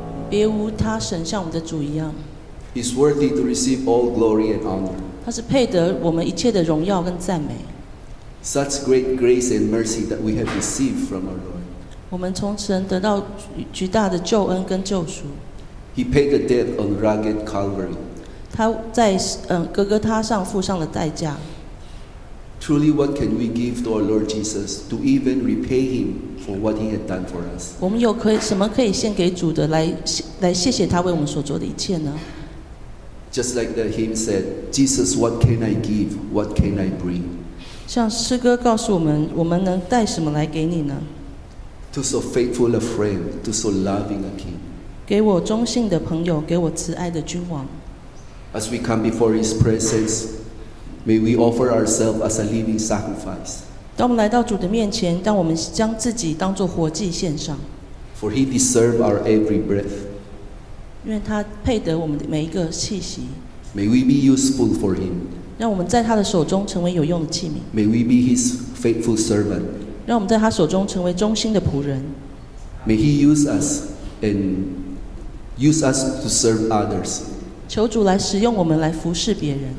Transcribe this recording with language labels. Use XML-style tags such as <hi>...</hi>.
<zh>别无他神像我们的主一样。</zh> <en>He is worthy to receive all glory and honor.</en> <zh>他是配得我们一切的荣耀跟赞美。</zh> <en>Such great grace and mercy that we have received from our Lord.</en> <zh>我们从神得到极大的救恩跟救赎。</zh> <en>He paid the debt on rugged Calvary.</en> <zh>他在哥哥他上付上了代价。</zh> <en>Truly, what can we give to our Lord Jesus to even repay Him for what He had done for us?</en> <zh>我们有可以什么可以献给主的来谢谢他为我们所做的一切呢？</zh> <en>Just like the hymn said, Jesus, what can I give? What can I bring?</en> <zh>像诗歌告诉我们，我们能带什么来给你呢？</zh> <en>To so faithful a friend, to so loving a King.</en> <zh>给我忠信的朋友，给我慈爱的君王。</zh> <en>As we come before His presence. May we offer ourselves as a living sacrifice.</en> <zh>当我们来到主的面前，当我们将自己当作活祭献上。</zh> <en>For He deserves our every breath.</en> <zh>因为他配得我们的每一个气息。</zh> <en>May we be useful for Him.</en> <zh>让我们在他的手中成为有用的器皿。</zh> <en>May we be His faithful servant.</en> <zh>让我们在他手中成为忠心的仆人。</zh> <en>May He use us and use us to serve others.</en> <zh>求主来使用我们来服侍别人</zh>